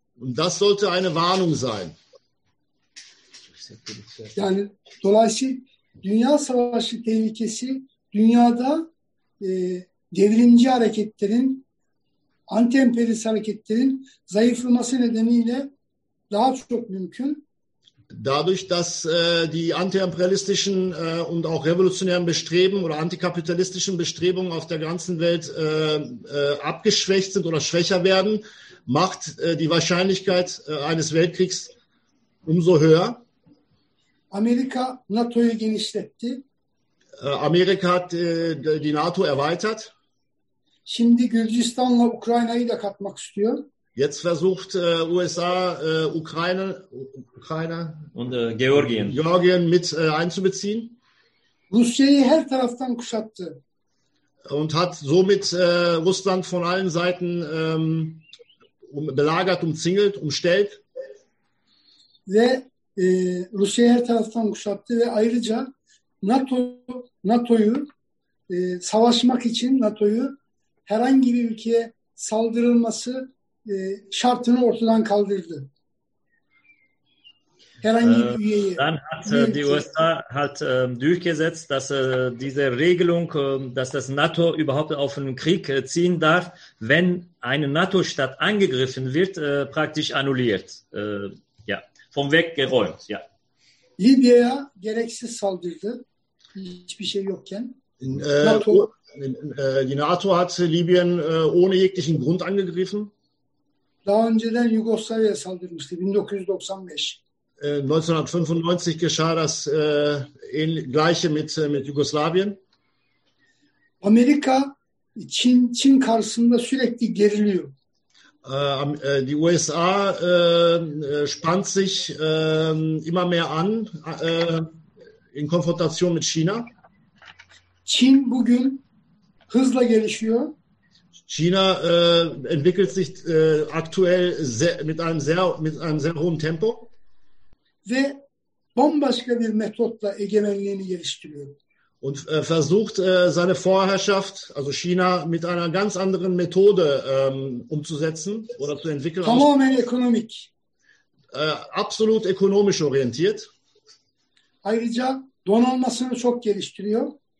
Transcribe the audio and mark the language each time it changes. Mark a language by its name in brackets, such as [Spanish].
[German] Und das sollte eine Warnung sein. [Turkish] Yani dolayısıyla dünya savaşı tehlikesi dünyada devrimci hareketlerin, anti-emperyalist hareketlerin zayıflaması nedeniyle daha çok mümkün. [German] Dadurch, dass die anti-emperyalistischen und auch revolutionären Bestrebungen oder antikapitalistischen Bestrebungen auf der ganzen Welt abgeschwächt sind oder schwächer werden, macht die Wahrscheinlichkeit eines Weltkriegs umso höher. [Turkish] Amerika NATO'yu genişletti. [German] Amerika die NATO erweitert. [Turkish] Şimdi Gürcistan'la Ukrayna'yı da katmak istiyor. [German] Jetzt versucht USA Ukraine und Georgien mit einzubeziehen. [Turkish] Rusya'yı her taraftan kuşattı. [German] Und hat somit Russland von allen Seiten belagert, umzingelt, umstellt. [Turkish] Ve Rusya'yı her taraftan kuşattı ve ayrıca NATO'yu savaşmak için NATO'yu herhangi bir ülkeye saldırılması şartını ortadan kaldırdı. Herhangi bir üyeyi. [German] Dann hat die USA halt durchgesetzt, dass diese Regelung, dass das NATO überhaupt auf einen Krieg ziehen darf, wenn eine NATO-Stadt angegriffen wird, praktisch annulliert. Ja, vom Weg geräumt, ja. [Turkish] Libya'ya gereksiz saldırdı. Hiçbir şey yokken. [German] Die NATO hat Libyen ohne jeglichen Grund angegriffen. [Turkish] Daha önceden Jugoslavya'ya saldırmıştı 1995. [German] 1995 geschah das gleiche mit Jugoslawien. [Turkish] Amerika Çin karşısında sürekli geriliyor. [German] Die USA spannt sich immer mehr an in Konfrontation mit China. [Turkish] Çin bugün hızla gelişiyor. [German] China entwickelt sich aktuell mit einem sehr hohen Tempo. [Turkish] Ve bambaşka bir metotla egemenliğini geliştiriyor. [German] Und versucht seine Vorherrschaft, also China, mit einer ganz anderen Methode umzusetzen oder zu entwickeln. [Turkish] Tamamen ekonomik. [German] Absolut ökonomisch orientiert. [Turkish] Ayrıca donanmasını çok geliştiriyor.